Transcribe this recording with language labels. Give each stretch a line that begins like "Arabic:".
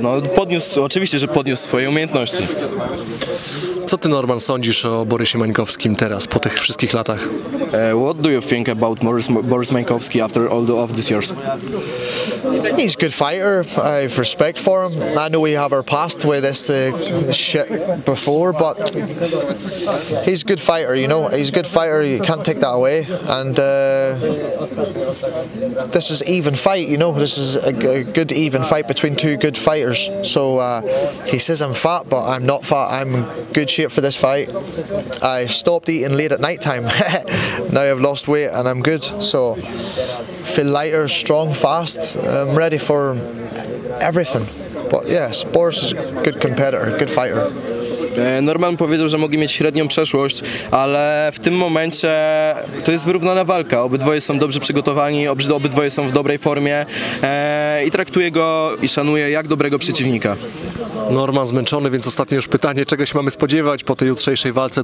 Polish: No, podniósł swoje umiejętności. Co ty, Norman, sądzisz o Borysie Mańkowskim teraz, po tych wszystkich latach?
English: What do you think about Boris Mańkowski after all of these years? He's a good fighter. I have respect for him. I know we have our past with this shit before, but he's a good fighter, you know. He's a good fighter. You can't take that away. And this is even fight, you know. This is a good even fight between two good fighters. So he says I'm fat, but I'm not fat. I'm in good shape for this fight. I stopped eating late at night time. Now I've lost weight and I'm good. So feel lighter, strong, fast. I'm ready for everything. But yes, Boris is a good competitor, good fighter.
Polish: Norman powiedział, że mogli mieć średnią przeszłość, ale w tym momencie to jest wyrównana walka. Obydwoje są dobrze przygotowani, obydwoje są w dobrej formie i traktuje go i szanuje jak dobrego przeciwnika. Norman zmęczony, więc ostatnie już pytanie. Czego się mamy spodziewać po tej jutrzejszej walce?